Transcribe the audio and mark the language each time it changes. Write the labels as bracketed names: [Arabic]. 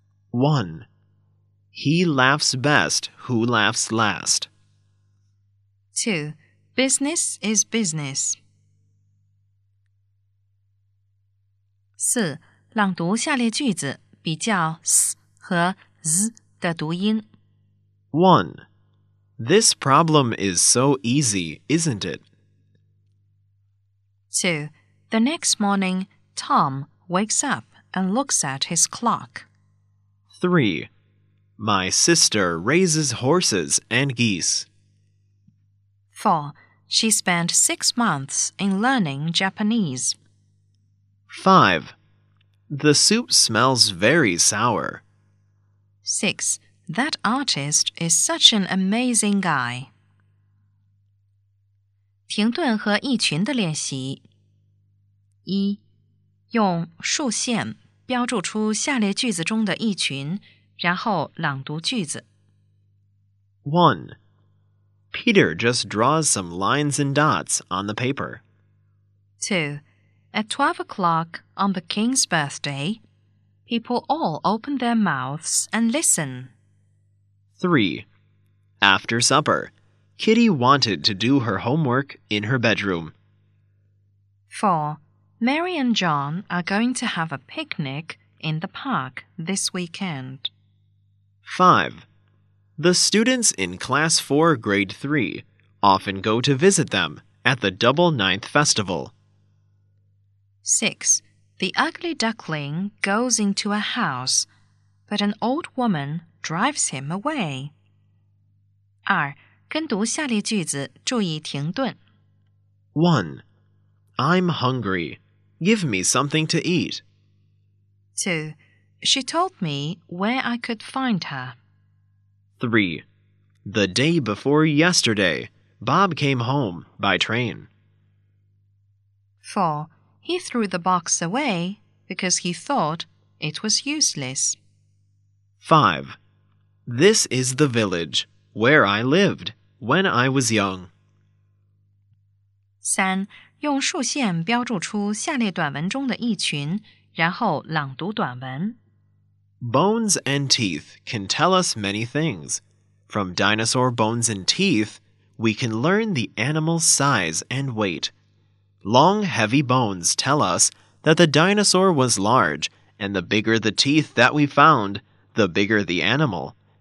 [English] 1 he laughs best who laughs last 2 business is business [Chinese] 4 朗读下列句子比较 s和 z 的读音。 [English] One, this problem is so easy, isn't it? Two, the next morning, Tom wakes up and looks at his clock. Three, my sister raises horses and geese. Four, she spent 6 months in learning Japanese. Five, the soup smells very sour. Six, that artist is such an amazing guy. [Chinese] 停顿和意群的练习。一，用竖线标注出下列句子中的意群，然后朗读句子。 1. [English] Peter just draws some lines and dots on the paper. 2. At 12 o'clock on the king's birthday, people all open their mouths and listen. 3. After supper, Kitty wanted to do her homework in her bedroom. 4. Mary and John are going to have a picnic in the park this weekend. 5. The students in class 4, grade 3, often go to visit them at the Double Ninth Festival. 6. The ugly duckling goes into a house, but an old woman drives him away. 2. [Chinese] 跟读下列句子，注意停顿。 [English] 1. I'm hungry. Give me something to eat. 2. She told me where I could find her. 3. The day before yesterday, Bob came home by train. 4. He threw the box away because he thought it was useless. 5. This is the village where I lived when I was young. 3. [Chinese] 用竖线标注出下列短文中的一群，然后朗读短文。 [English] Bones and teeth can tell us many things. From dinosaur bones and teeth, we can learn the animal's size and weight. Long, heavy bones tell us that the dinosaur was large, and the bigger the teeth that we found, the bigger the animal.